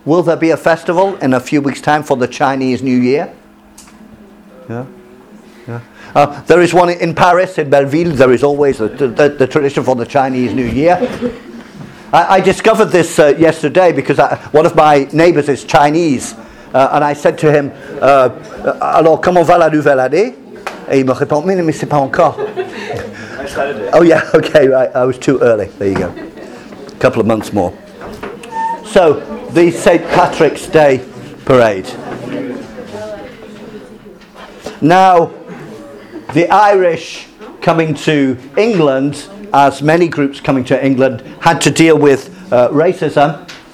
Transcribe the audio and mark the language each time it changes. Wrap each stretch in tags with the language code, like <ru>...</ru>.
<en>Will there be a festival in a few weeks' time for the Chinese New Year? There is one in Paris, in Belleville. There is always the tradition for the Chinese New Year. I discovered this yesterday because one of my neighbours is Chinese. And I said to him,</en> <fr>alors, comment va la nouvelle année? Et il me répond, mais c'est pas encore.</fr> <en>Oh, yeah, okay, right. I was too early. There you go. A couple of months more. So, the St. Patrick's Day parade. Now, the Irish coming to England, as many groups coming to England, had to deal with racism.</en>